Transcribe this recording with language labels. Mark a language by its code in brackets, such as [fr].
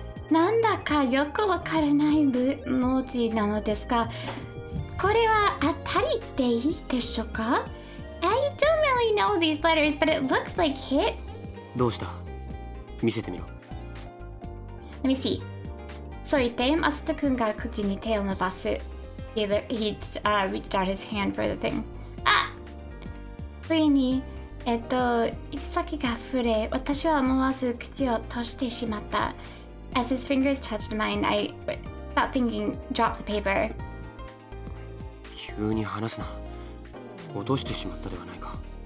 [ja] なんだかよくわからない文字なのですが、これは当たりでいいでしょうか? [en] I don't really know these letters, but it looks like hit. [ja] どうした?見せてみろ。 [en] Let me see. [ja] そう言って、マサト君が口に手を伸ばす。 [en] He reached out his hand for the thing. [ja] あ、ついに、指先が触れ、私は思わず口を閉じてしまった。 [en] As his fingers touched mine, I, without thinking, dropped the paper. [ja] 急に話すな。落としてしまったではないか。